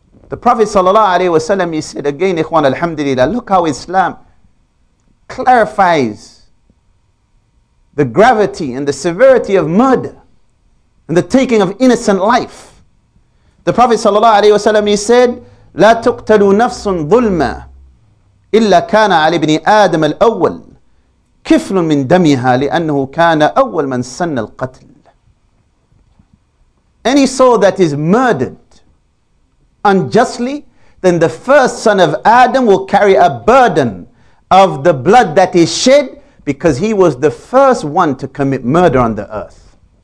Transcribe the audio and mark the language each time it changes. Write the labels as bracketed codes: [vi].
[en] The Prophet ﷺ, he said again, Ikhwan alhamdulillah, look how Islam clarifies the gravity and the severity of murder and the taking of innocent life. The Prophet ﷺ, he said, [ar] لا تقتل نفس ظلما إلا كان على ابن آدم الأول كفل من دمها لأنه كان أول من سن القتل. [en] Any soul that is murdered unjustly, then the first son of Adam will carry a burden of the blood that is shed because he was the first one to commit murder on the earth.